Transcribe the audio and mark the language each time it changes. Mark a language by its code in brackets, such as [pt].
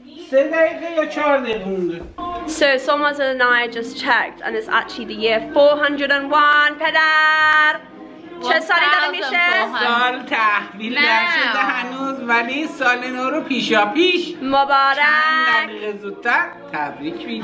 [fa] سه دقیقه یا چهار دقیقه مونده. [en] So Somaz and I just checked and it's actually the year 401. [fa] پدر چه سالی داره میشه؟ سال تحویل نشده هنوز، ولی سال نو رو پیشا پیش مبارک. چند دقیقه زودتر تبریک میگیم.